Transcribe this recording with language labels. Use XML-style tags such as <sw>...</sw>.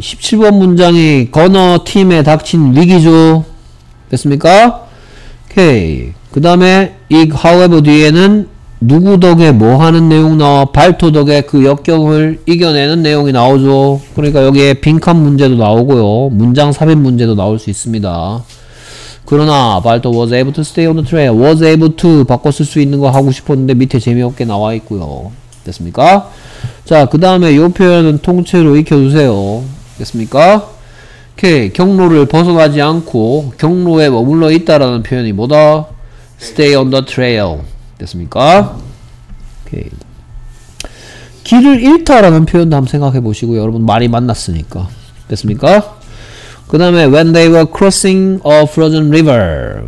<ko>17번 문장이 건어 팀에 닥친 위기죠. 됐습니까? 오케이. 그 다음에 이 however 뒤에는 누구 덕에 뭐 하는 내용 나와? 발토 덕에 그 역경을 이겨내는 내용이 나오죠. 그러니까 여기에 빈칸 문제도 나오고요. 문장 삽입 문제도 나올 수 있습니다. 그러나</ko> <en>발토 was able to stay on the train.</en> <ko>was able to 바꿔 쓸 수 있는 거 하고 싶었는데 밑에 재미없게 나와 있고요. 됐습니까? 자, 그 다음에 요 표현은 통째로 익혀주세요. 됐습니까? 오케이. 경로를 벗어나지 않고 경로에 머물러 있다라는 표현이 뭐다?</ko> <en>Stay on the trail.</en> <ko>됐습니까? 오케이. 길을 잃다라는 표현도 한번 생각해 보시고요. 여러분 말이 만났으니까. 됐습니까? 그 다음에</ko> <en>when they were crossing a frozen river.</en>